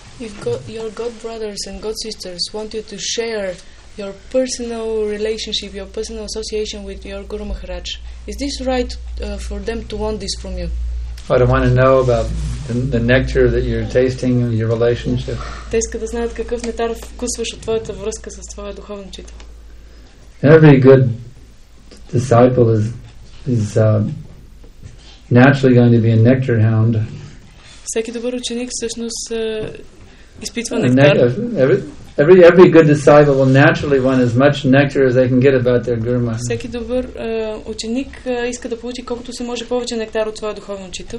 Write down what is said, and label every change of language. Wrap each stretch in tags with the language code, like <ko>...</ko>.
<en>If your God brothers and God sisters want you to share your personal relationship, your personal association with your Guru Maharaj, is this right for them to want this from you? I don't want to know about the nectar that you're tasting in your relationship.</en> <bg>Те искат да знаят какъв нектар вкусваш от твоята връзка с твоя духовен учител.</bg> <en>Every good disciple is naturally going to be a nectar hound.</en> <bg>Всеки добър ученик всъщност</bg> <en>Every good disciple will naturally want as much nectar as they can get about their guru maharaj.</en> <bg>Всеки добър ученик иска да получи колкото се може повече нектар от своя духовен учител.</bg>